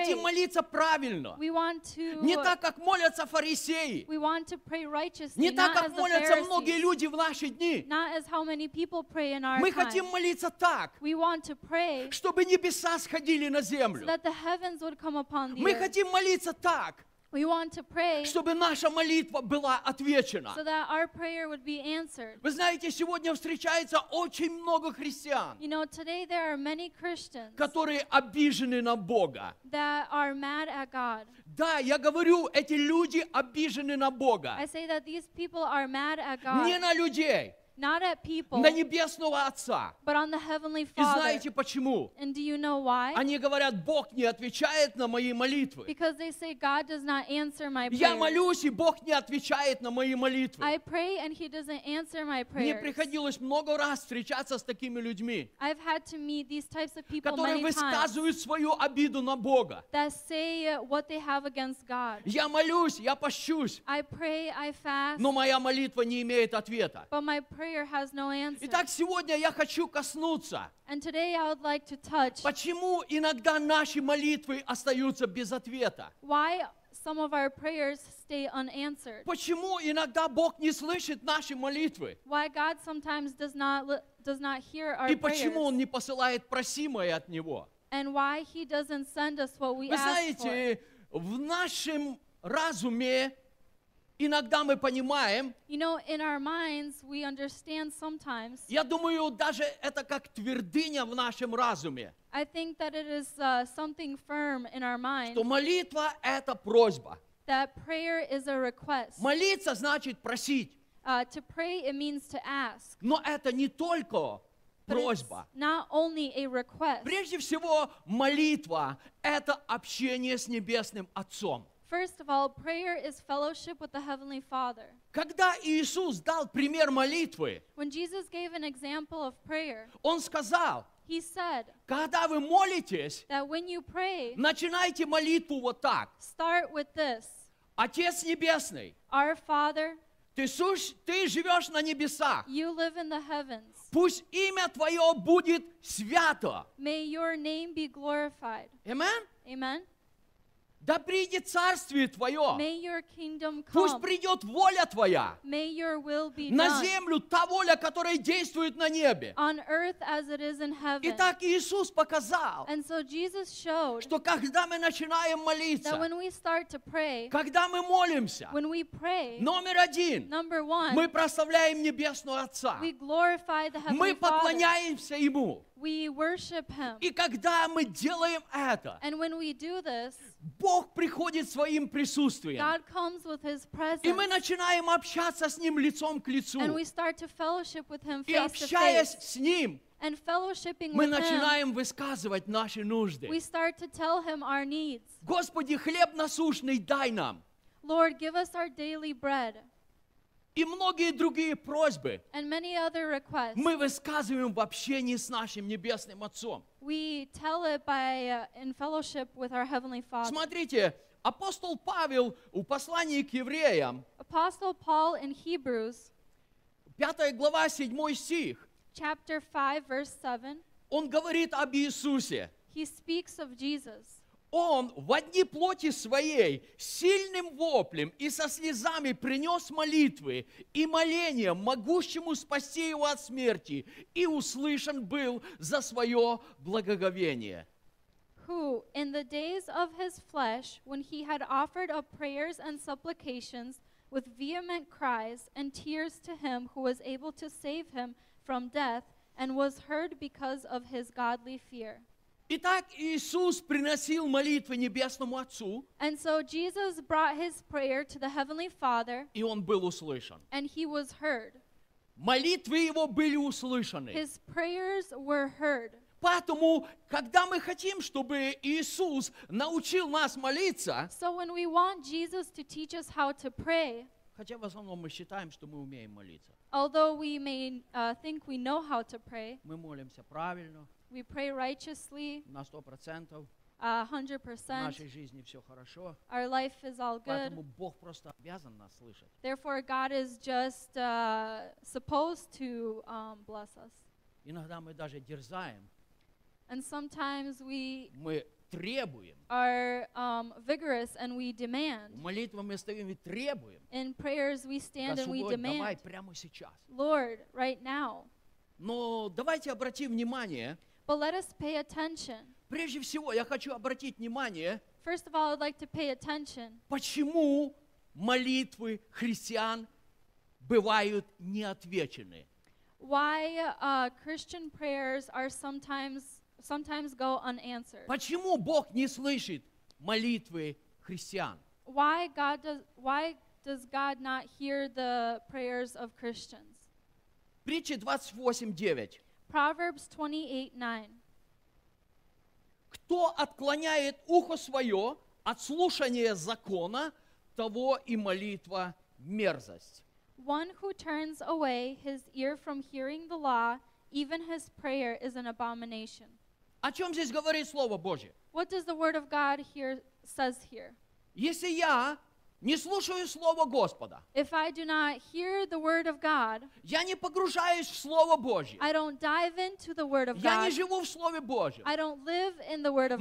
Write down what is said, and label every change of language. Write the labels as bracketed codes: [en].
[ru] Хотим молиться правильно. [en] We want to... [ru] Не так, как молятся фарисеи. [en] We want to pray righteously, [ru] не так, [en] not [ru] как [en] as [ru] молятся [en] the Pharisees. [ru] Многие люди. Люди в наши дни. [en] Not as how many people pray in our [ru] мы хотим молиться так, [en] we want to pray, [ru] чтобы небеса сходили на землю. [en] So that the heavens would come upon the [ru] мы [en] earth. [ru] Хотим молиться так, [en] we want to pray, [ru] чтобы наша молитва была отвечена. [en] So that our prayer would be answered. [ru] Вы знаете, сегодня встречается очень много христиан, [en] you know, today there are many Christians, [ru] которые обижены на Бога. [en] That are mad at God. [ru] Да, я говорю, эти люди обижены на Бога. [en] I say that these people are mad at God. [ru] Не на людей. [en] Not at people, [ru] на Небесного Отца. [en] But on the Heavenly Father. [ru] И знаете почему? [en] And do you know why? [ru] Они говорят, Бог не отвечает на мои молитвы. [en] Because they say God does not answer my prayers. [ru] Я молюсь, и Бог не отвечает на мои молитвы. [en] I pray and he doesn't answer my prayers. [ru] Мне приходилось много раз встречаться с такими людьми, [en] I've had to meet these types of people [ru] которые [en] many [ru] высказывают [en] times, [ru] свою обиду на Бога. [en] That say what they have against God. [ru] Я молюсь, я пощусь. [en] I pray, I fast, [ru] но моя молитва не имеет ответа. [en] But my prayer has no answer. [ru] Итак, сегодня я хочу коснуться. [en] And today I would like to touch. [ru] Почему иногда наши молитвы остаются без ответа? [en] Why some of our prayers stay unanswered? [ru] Почему иногда Бог не слышит наши молитвы? [en] Why God sometimes does not hear our [ru] prayers? И почему Он не посылает просимое от Него? [en] And why He doesn't send us what we ask for? [ru] Вы знаете, в нашем разуме иногда мы понимаем, [en] you know, in our minds we understand sometimes, [ru] я думаю, даже это как твердыня в нашем разуме, [en] I think that it is, something firm in our mind, [ru] что молитва – это просьба. [en] That prayer is a request. [ru] Молиться – значит просить. [en] To pray, it means to ask. [ru] Но это не только просьба. [en] But it's not only a request. [ru] Прежде всего, молитва – это общение с Небесным Отцом. [en] First of all, prayer is fellowship with the Heavenly Father. [ru] Когда Иисус дал пример молитвы, [en] when Jesus gave an example of prayer, [ru] Он сказал, [en] He said, [ru] когда вы молитесь, [en] that when you pray, [ru] начинайте молитву вот так. [en] Start with this. [ru] Отец Небесный, [en] Our Father, [ru] ты живешь на небесах. [en] You live in the heavens. [ru] Пусть имя Твое будет свято. [en] May your name be glorified. Amen? Amen. [ru] Да придет Царствие Твое. [en] May your kingdom come. [ru] Пусть придет воля Твоя. [en] May your will be [ru] done. На землю та воля, которая действует на небе. [en] On earth as it is in heaven. [ru] И так Иисус показал, [en] And so Jesus showed, [ru] что когда мы начинаем молиться, [en] that when we start to pray, [ru] когда мы молимся, [en] when we pray, [ru] номер один, [en] number one, [ru] мы прославляем Небесного Отца. [en] We glorify the Heavenly [ru] мы поклоняемся [en] Father. [ru] Ему. [en] We worship Him. [ru] И когда мы делаем это, [en] And when we do this, [ru] Бог приходит своим присутствием. [en] God comes with His presence. [ru] И мы начинаем общаться с Ним лицом к лицу. [en] And we start to fellowship with Him face to face. [ru] И общаясь с Ним, [en] And fellowshipping [ru] мы [en] with [ru] начинаем [en] him, [ru] высказывать наши нужды. [en] We start to tell Him our needs. [ru] Господи, хлеб насущный дай нам. [en] Lord, give us our daily bread. [ru] И многие другие просьбы [en] And many other requests. [ru] Мы высказываем в общении с нашим Небесным Отцом. [en] We tell it by, in fellowship with our Heavenly Father. [ru] Смотрите, апостол Павел в послании к евреям, [en] Apostle Paul in Hebrews, [ru] 5 глава, 7 стих, [en] chapter 5, verse 7, [ru] он говорит об Иисусе. [en] He speaks of Jesus. [ru] Он в одни плоти своей сильным воплем и со слезами принес молитвы и моления могущему спасти его от смерти и услышан был за свое благоговение. [en] Who, in the days of his flesh, when he had offered up prayers and supplications with vehement cries and tears to him who was able to save him from death, and was heard because of his godly fear. [ru] Итак, Иисус приносил молитвы Небесному Отцу. [en] And so Jesus brought his prayer to the Heavenly Father. [ru] И он был услышан. [en] And he was heard. [ru] Молитвы его были услышаны. [en] His prayers were heard. [ru] Поэтому, когда мы хотим, чтобы Иисус научил нас молиться, [en] so when we want Jesus to teach us how to pray, [ru] хотя в основном мы считаем, что мы умеем молиться, [en] although we may think we know how to pray, [ru] мы молимся правильно, [en] we pray righteously, [ru] на 100%, [en] 100%, [ru] в нашей жизни все хорошо, [en] our life is all good, [ru] поэтому Бог просто обязан нас слышать. [en] Therefore, God is just supposed to bless us. [ru] Иногда мы даже дерзаем. [en] And sometimes we [ru] мы требуем. [en] Are vigorous and we demand. [ru] В молитве мы стоим и требуем. [en] In prayers we stand [ru] Господь, [en] and we demand. [ru] Давай прямо сейчас. [en] Lord, right now. [ru] Но давайте обратим внимание. [en] But let us pay attention. [ru] Прежде всего, я хочу обратить внимание. [en] First of all, I'd like to pay attention. [ru] Почему молитвы христиан бывают неотвечены? [en] Why Christian prayers are sometimes go unanswered. [ru] Почему Бог не слышит молитвы христиан? [en] Why does God not hear the prayers of Christians? [ru] Притчи 28:9. [en] Proverbs 28:9. [ru] Кто отклоняет ухо свое от слушания закона, того и молитва мерзость. [en] One who turns away his ear from hearing the law, even his prayer is an abomination. [ru] О чем здесь говорит Слово Божье? [en] What does the Word of God here says here? [ru] Если я не слушаю Слово Господа, [en] if I do not hear the Word of God, [ru] я не погружаюсь в Слово Божье, [en] I don't dive into the Word of [ru] я [en] God, [ru] я не живу в Слове Божьем, [en] I don't live in the Word of